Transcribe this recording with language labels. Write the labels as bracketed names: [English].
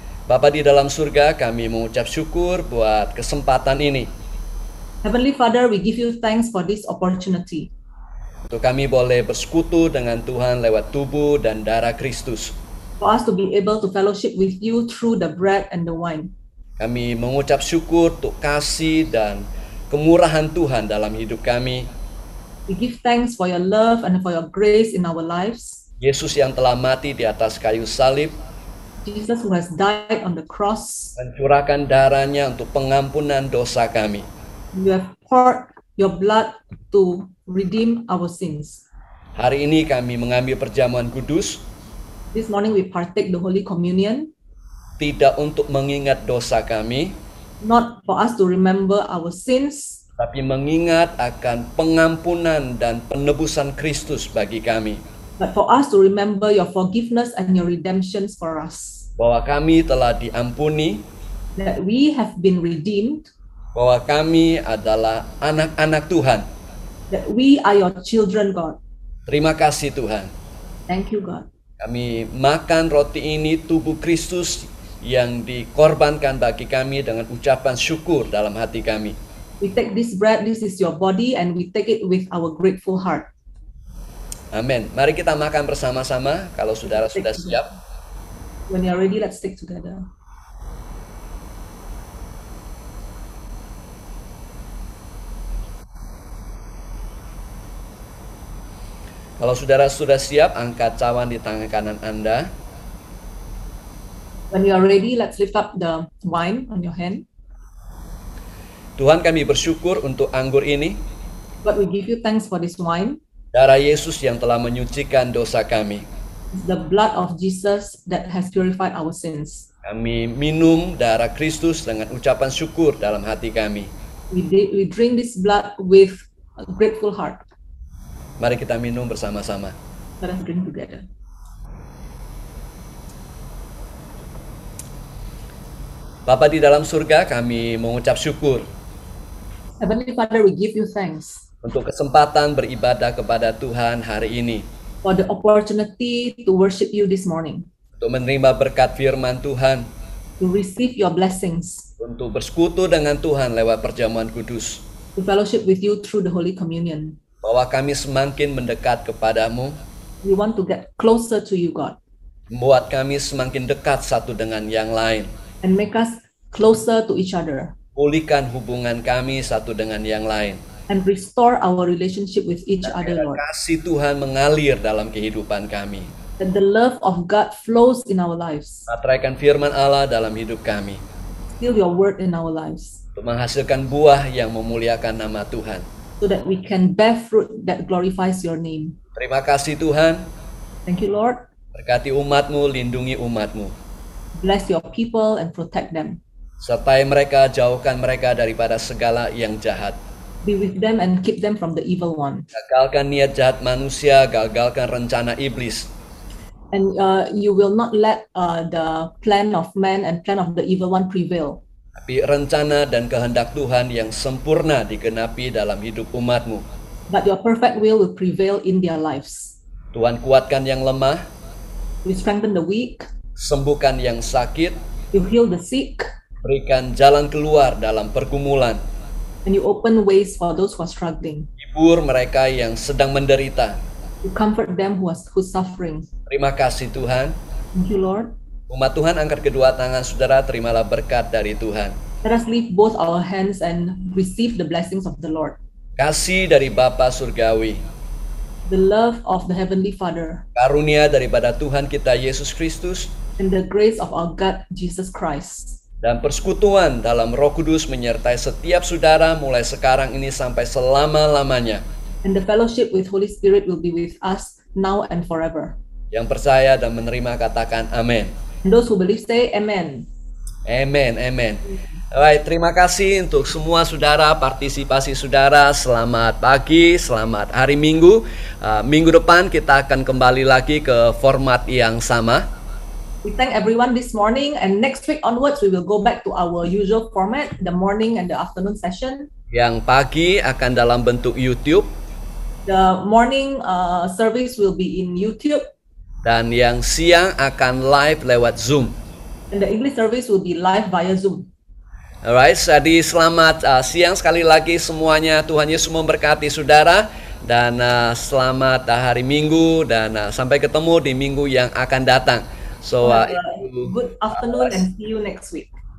[Indonesian] Bapa di dalam surga, kami mengucap syukur buat kesempatan ini. [English] Heavenly Father, we give you thanks for this opportunity. [Indonesian] Untuk kami boleh bersekutu dengan Tuhan lewat tubuh dan darah Kristus. [English] For us to be able to fellowship with you through the bread and the wine. [Indonesian] Kami mengucap syukur untuk kasih dan kemurahan Tuhan dalam hidup kami. [English] We give thanks for your love and for your grace in our lives. [Indonesian] Yesus yang telah mati di atas kayu salib. [English] Jesus who has died on the cross. [Indonesian] Mencurahkan darahnya untuk pengampunan dosa kami. [English] You have poured your blood to redeem our sins. [Indonesian] Hari ini kami mengambil perjamuan kudus. [English] This morning we partake the Holy Communion. [Indonesian] Tidak untuk mengingat dosa kami. [English] Not for us to remember our sins. [Indonesian] Tapi mengingat akan pengampunan dan penebusan Kristus bagi kami. [English] But for us to remember your forgiveness and your redemptions for us. [Indonesian] Bahwa kami telah diampuni. [English] That we have been redeemed. [Indonesian] Bahwa kami adalah anak-anak Tuhan. [English] That we are your children, God. [Indonesian] Terima kasih Tuhan. [English] Thank you, God. [Indonesian] Kami makan roti ini tubuh Kristus yang dikorbankan bagi kami dengan ucapan syukur dalam hati kami. [English] We take this bread, this is your body, and we take it with our grateful heart. [Indonesian] Amin. Mari kita makan bersama-sama kalau saudara sudah siap. [English] When you are ready, let's take together. [Indonesian] Kalau saudara sudah siap, angkat cawan di tangan kanan Anda. [English] When you are ready, let's lift up the wine on your hand. [Indonesian] Tuhan, kami bersyukur untuk anggur ini. [English] But we give you thanks for this wine. [Indonesian] Darah Yesus yang telah menyucikan dosa kami. [English] The blood of Jesus that has purified our sins. [Indonesian] Kami minum darah Kristus dengan ucapan syukur dalam hati kami. [English] We drink this blood with a grateful heart. [Indonesian] Mari kita minum bersama-sama. [English] Let us drink together. [Indonesian] Bapa di dalam surga, kami mengucap syukur. [English] Heavenly Father, we give you thanks. [Indonesian] Untuk kesempatan beribadah kepada Tuhan hari ini. [English] For the opportunity to worship you this morning. [Indonesian] Untuk menerima berkat firman Tuhan. [English] To receive your blessings. [Indonesian] Untuk bersekutu dengan Tuhan lewat perjamuan kudus. [English] To fellowship with you through the Holy Communion. [Indonesian] Bahwa kami semakin mendekat kepadamu. [English] We want to get closer to you, God. [Indonesian] Buat kami semakin dekat satu dengan yang lain. [English] And make us closer to each other. [Indonesian] Pulihkan hubungan kami satu dengan yang lain. [English] And restore our relationship with each other, Lord. [Indonesian] Kasih Tuhan mengalir dalam kehidupan kami. [English] That the love of God flows in our lives. [Indonesian] Patraikan firman Allah dalam hidup kami. [English] Feel your word in our lives. [Indonesian] Untuk menghasilkan buah yang memuliakan nama Tuhan. [English] So that we can bear fruit that glorifies your name. [Indonesian] Terima kasih Tuhan. [English] Thank you, Lord. [Indonesian] Berkati umatmu, lindungi umatmu. [English] Bless your people and protect them. [Indonesian] Sertai mereka, jauhkan mereka daripada segala yang jahat. [English] Be with them and keep them from the evil one. [Indonesian] Gagalkan niat jahat manusia, gagalkan rencana iblis. [English] And you will not let the plan of man and plan of the evil one prevail. [Indonesian] Tapi rencana dan kehendak Tuhan yang sempurna digenapi dalam hidup umatmu. [English] But your perfect will prevail in their lives. [Indonesian] Tuhan kuatkan yang lemah. [English] You strengthen the weak. [Indonesian] Sembuhkan yang sakit. [English] You heal the sick. [Indonesian] Berikan jalan keluar dalam pergumulan. [English] And you open ways for those who are struggling. [Indonesian] Hibur mereka yang sedang menderita. [English] You comfort them who are suffering. [Indonesian] Terima kasih Tuhan. [English] Thank you, Lord. [Indonesian] Umat Tuhan, angkat kedua tangan saudara, terimalah berkat dari Tuhan. [English] Let us lift both our hands and receive the blessings of the Lord. [Indonesian] Kasih dari Bapa Surgawi. [English] The love of the Heavenly Father. [Indonesian] Karunia daripada Tuhan kita, Yesus Kristus. [English] And the grace of our God, Jesus Christ. [Indonesian] Dan persekutuan dalam Roh Kudus menyertai setiap saudara mulai sekarang ini sampai selama-lamanya. [English] And the fellowship with Holy Spirit will be with us now and forever. [Indonesian] Yang percaya dan menerima katakan amin. [English] Those who believe say amen. Amen, amen. [Indonesian] Baik, terima kasih untuk semua saudara, partisipasi saudara. Selamat pagi, selamat hari Minggu. Minggu depan kita akan kembali lagi ke format yang sama. [English] We thank everyone this morning, and next week onwards we will go back to our usual format, the morning and the afternoon session. [Indonesian] Yang pagi akan dalam bentuk YouTube. [English] The morning service will be in YouTube. [Indonesian] Dan yang siang akan live lewat Zoom. [English] And the English service will be live via Zoom. [Indonesian] Alright, jadi selamat siang sekali lagi semuanya. Tuhan Yesus memberkati saudara. Dan selamat hari Minggu, dan sampai ketemu di minggu yang akan datang. [English] So, good afternoon and see you next week.